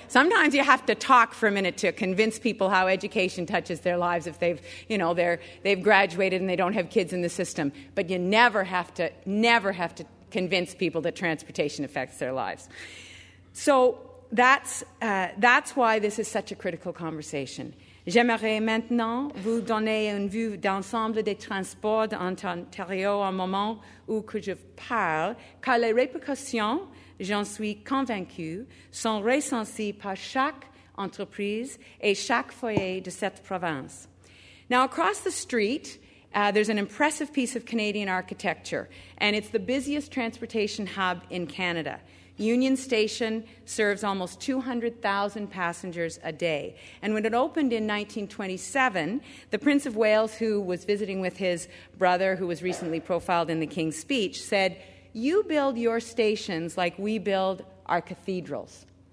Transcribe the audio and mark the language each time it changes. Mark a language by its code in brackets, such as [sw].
[en] Sometimes you have to talk for a minute to convince people how education touches their lives if they've, you know, they've graduated and they don't have kids in the system, but you never have to convince people that transportation affects their lives. So that's why this is such a critical conversation. [fr] J'aimerais maintenant vous donner une vue d'ensemble des transports en Ontario au moment où que je parle, car les répercussions, j'en suis convaincue, sont recensées par chaque entreprise et chaque foyer de cette province. [en] Now, across the street, there's an impressive piece of Canadian architecture, and it's the busiest transportation hub in Canada. Union Station serves almost 200,000 passengers a day. And when it opened in 1927, the Prince of Wales, who was visiting with his brother, who was recently profiled in the King's Speech, said, "You build your stations like we build our cathedrals."